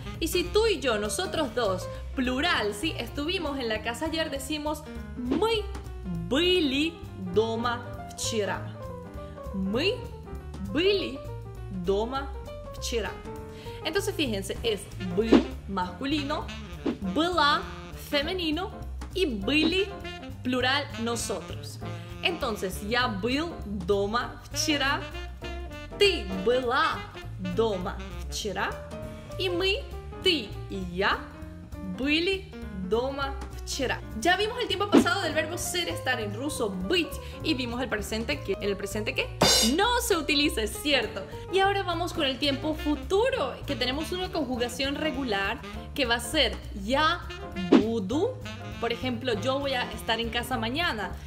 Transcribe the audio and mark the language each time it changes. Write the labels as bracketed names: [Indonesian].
[Spanish] Y si tú y yo, nosotros dos, plural, ¿sí? Estuvimos en la casa ayer, decimos [Russian] мы были дома вчера. Мы были дома вчера. [Spanish] Entonces fíjense, es был masculino, была femenino y были plural nosotros. Entonces, [Russian] я был дома вчера, ты была дома вчера [Spanish] y [Russian] мы, ты и я были дома вчера. [Spanish] Ya vimos el tiempo pasado del verbo ser, estar en ruso, быть, y vimos el presente, que ¿el presente qué? No se utiliza, es cierto. Y ahora vamos con el tiempo futuro, que tenemos una conjugación regular que va a ser ya буду. Por ejemplo, yo voy a estar en casa mañana.